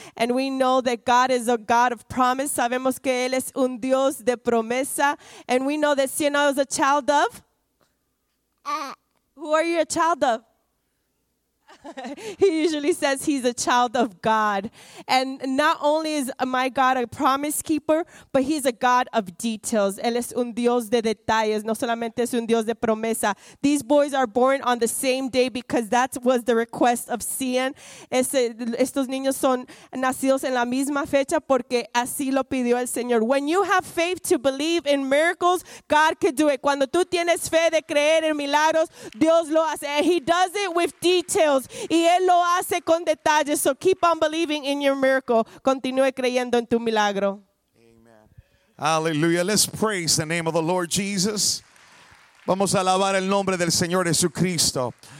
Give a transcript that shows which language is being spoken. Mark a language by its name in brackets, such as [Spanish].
[English] And we know that God is a God of promise. [Spanish] Sabemos que Él es un Dios de promesa. [English] And we know that Cienel is a child of? Who are you a child of? He usually says he's a child of God. And not only is my God a promise keeper, but he's a God of details. [Spanish] Él es un Dios de detalles. No solamente es un Dios de promesa. [English] These boys are born on the same day because that was the request of Cien. [Spanish] Estos niños son nacidos en la misma fecha porque así lo pidió el Señor. [English] When you have faith to believe in miracles, God could do it. [Spanish] Cuando tú tienes fe de creer en milagros, Dios lo hace. [English] And he does it with details. [Spanish] Y él lo hace con detalles. [English] So keep on believing in your miracle. [Spanish] Continúe creyendo en tu milagro. [English] Amen. Hallelujah. Let's praise the name of the Lord Jesus. [Spanish] Vamos a alabar el nombre del Señor Jesucristo.